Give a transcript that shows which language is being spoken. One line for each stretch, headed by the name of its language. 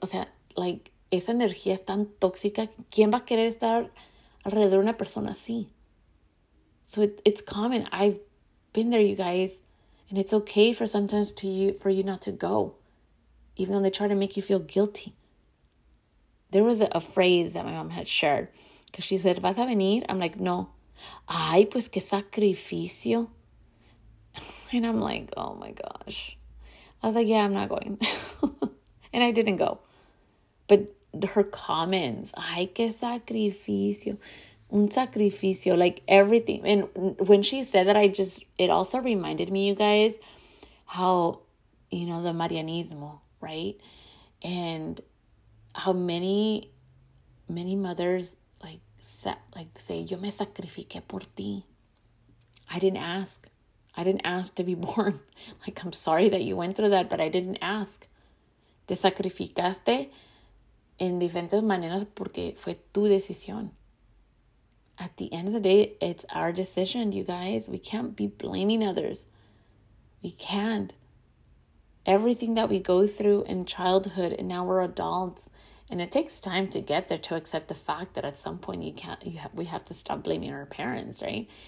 Spanish: O sea, like, esa energía es tan tóxica. ¿Quién va a querer estar alrededor de una persona así?
English: So it's common. I've been there, you guys. And it's okay for you not to go, even though they try to make you feel guilty. There was a phrase that my mom had shared, because she said,
Spanish: ¿vas a venir?
English: I'm like, no.
Spanish: Ay, pues qué sacrificio.
English: And I'm like, oh my gosh. I was like, yeah, I'm not going. And I didn't go. But her comments,
Spanish: ay, qué sacrificio. Un sacrificio,
English: like everything. And when she said that, it also reminded me, you guys, how, you know, the Marianismo, right? And how many, many mothers say,
Spanish: yo me sacrifiqué por ti.
English: I didn't ask to be born. Like, I'm sorry that you went through that, but I didn't ask.
Spanish: Te sacrificaste en diferentes maneras porque fue tu decisión.
English: At the end of the day, it's our decision, you guys. We can't be blaming others. We can't. Everything that we go through in childhood, and now we're adults, and it takes time to get there to accept the fact that at some point we have to stop blaming our parents, right?